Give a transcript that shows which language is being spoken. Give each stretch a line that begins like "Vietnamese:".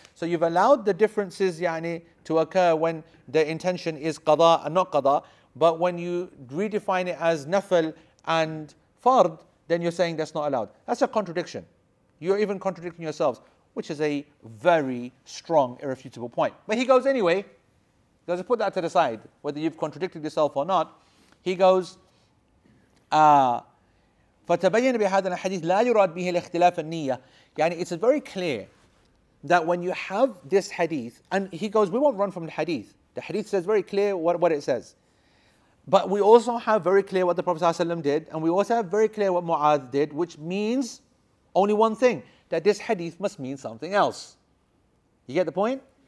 English: So you've allowed the differences yani, to occur when the intention is qada and not qada, but when you redefine it as nafil and fard, then you're saying that's not allowed. That's a contradiction. You're even contradicting yourselves, which is a very strong, irrefutable point. But he goes anyway, let's put that to the side, whether you've contradicted yourself or not. He goes,
Arabic: فتبين بهذا الحديث لا يراد به الاختلاف النية.
English: يعني it's very clear that when you have this hadith, and he goes, we won't run from the hadith. The hadith says very clear what it says. But we also have very clear what the Prophet ﷺ did, and we also have very clear what Mu'adh did, which means only one thing, that this hadith must mean something else. You get the point?